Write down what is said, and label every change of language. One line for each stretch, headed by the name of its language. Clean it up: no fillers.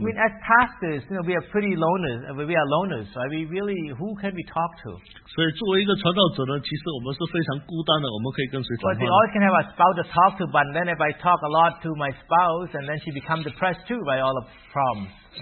English: I mean, as pastors, you know, we are pretty loners. We are loners. So I mean, really, who can we talk to?
Chinese: 所以作为一个传道者呢，其实我们是非常孤单的。我们可以跟谁谈话？
English: But we always can have a spouse to talk to. But then, if I talk a lot to my spouse, and then she becomes depressed too by all the problems.